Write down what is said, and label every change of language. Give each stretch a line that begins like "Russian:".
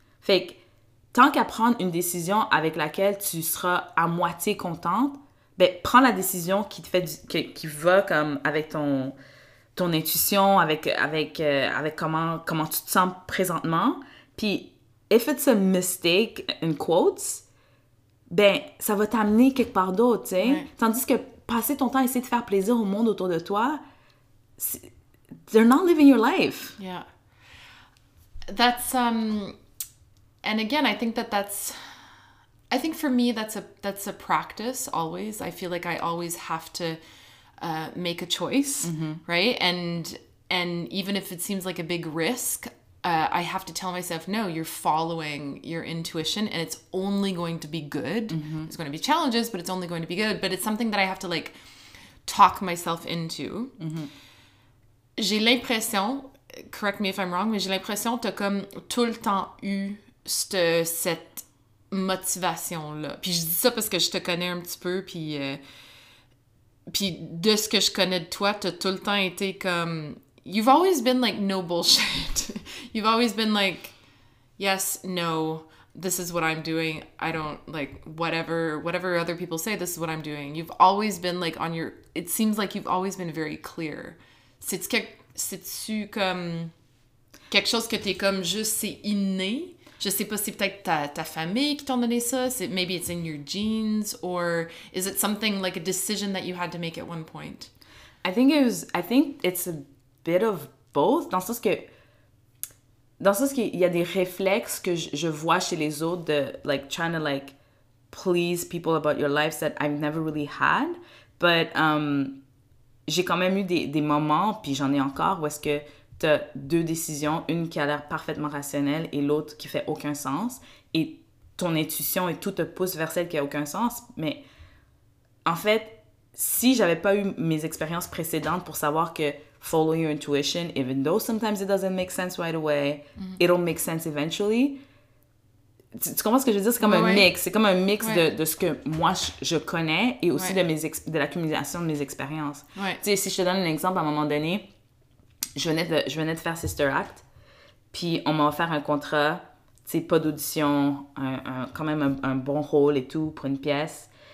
French: Fait que, tant qu'à prendre une décision avec laquelle tu seras à moitié contente, ben, prends la décision qui va comme avec ton intuition, avec comment tu te sens présentement. Puis,
English: if it's a mistake, in quotes,
French: ben, ça va t'amener quelque part d'autre, tu sais. Ouais. Tandis que passer ton temps à essayer de faire plaisir au monde autour de toi,
English: they're not living your life. Yeah. That's, and again, I think for me, that's a practice always. I feel like I always have to make a choice, mm-hmm. right? And even if it seems like a big risk, I have to tell myself, no, you're following your intuition and it's only going to be good. Mm-hmm. There's going to be challenges, but it's only going to be good. But it's something that I have to like talk myself into. Mm-hmm.
French: J'ai l'impression,
English: correct me if I'm wrong,
French: mais j'ai l'impression que t'as comme tout le temps eu cette motivation là. Puis je dis ça parce que je te connais un petit peu, puis de ce que je connais de toi, t'as tout le temps été comme,
English: you've always been like, no bullshit. You've always been like, yes, no, this is what I'm doing. I don't, like, whatever other people say, this is what I'm doing. You've always been like, it seems like you've always been very clear.
French: C'est-tu comme, quelque chose que t'es comme, juste, c'est inné? Je sais pas si peut-être ta famille qui t'a donné ça,
English: maybe it's in your genes, or is it something like a decision that you had to make at one point? I think it's a bit of both,
French: dans le sens que il y a des réflexes que je vois chez les autres de
English: like trying to like please people about your life that I've never really had, but
French: j'ai quand même eu des moments, puis j'en ai encore, où est-ce que t'as deux décisions, une qui a l'air parfaitement rationnelle et l'autre qui fait aucun sens. Et ton intuition et tout te pousse vers celle qui a aucun sens. Mais en fait, si j'avais pas eu mes expériences précédentes pour savoir que
English: follow your intuition, even though sometimes it doesn't make sense right away, mm-hmm. it'll make sense eventually.
French: Tu comprends ce que je veux dire? C'est comme mix. C'est comme un mix de ce que moi, je connais et aussi de l'accumulation de mes expériences. Ouais. Tu sais, si je te donne un exemple, à un moment donné, je venais de faire Sister Act, puis on m'a offert un contrat, tu sais, pas d'audition, quand même un bon rôle et tout pour une pièce.